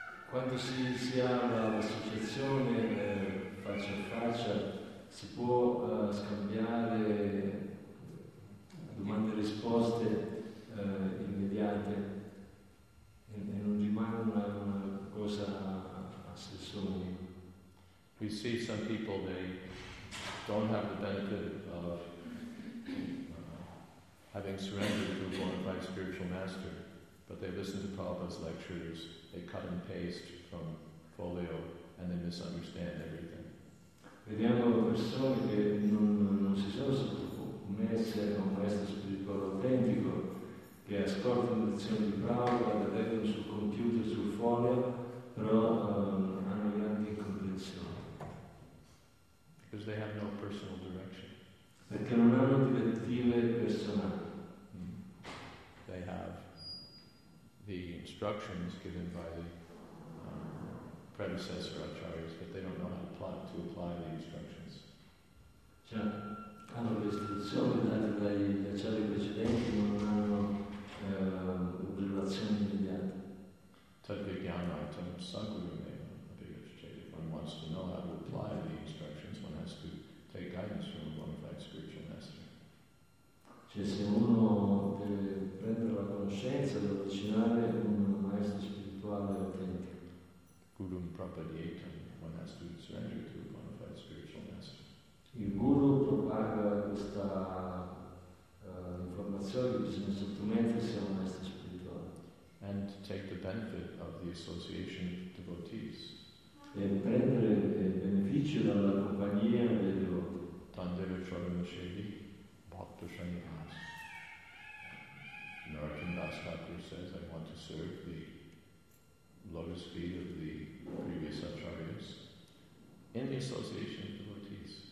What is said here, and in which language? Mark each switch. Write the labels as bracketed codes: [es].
[it] Quando si ha l'associazione faccia a faccia, si può scambiare domande e risposte immediate e non rimane una cosa a sé soli. [en] We see some people, they don't have the benefit of having surrendered to a bona fide spiritual master, but they listen to Prabhupada's lectures, they cut and paste from folio, and they misunderstand everything. [it] Vediamo persone che non si sono sottomesse a un maestro spirituale autentico, che ascoltano le lezioni di Prabhupada, le leggono sul computer, sul folio, però hanno grandi incomprensioni. [en] Because they have no personal direction. [it] Perché non hanno direttive personali. [en] They have the instructions given by the predecessor acharyas, but they don't know how to apply the instructions. [it] Cioè, hanno le istruzioni date dagli acciari precedenti, ma non hanno relazioni immediate. [en] Tadvijnana, Tadsanguru, a big educator. If one wants to know how to apply the instructions, to take guidance from a bona fide spiritual master. [it] Cioè, se uno deve prendere la conoscenza, deve avvicinare un maestro spirituale autentico. [en] Guru propagatum, one has to surrender to a bona fide spiritual master. [it] Il guru propaga questa informazione che bisogna sottomettersi a un maestro spirituale. [en] And to take the benefit of the association of devotees. [it] E prendere il beneficio dalla compagnia dei devoti. [bn] Tandeva Chodama Shedi, Bhakta Shanyas. [en] Narottam Das Thakur says, I want to serve the lotus feet of the previous acharyas in the association of devotees.